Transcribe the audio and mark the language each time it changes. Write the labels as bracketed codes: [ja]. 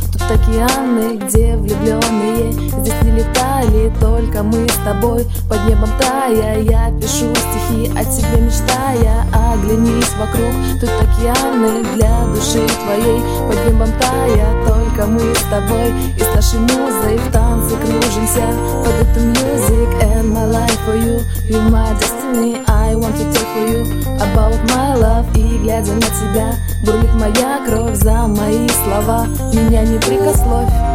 [ru] Тут океаны, где влюбленные. Здесь не летали только мы с тобой. Под небом тая, я пишу стихи о тебе мечтая. Оглянись вокруг, тут океаны для души твоей. Под небом тая, только мы с тобой. И с нашей музой в танце кружимся. Под эту [en] music and my life for you. You're my destiny, I want to talk for you. About my love, [ru] и глядя на тебя, бурлит моя кровь за мои слова. Меня не прикословь.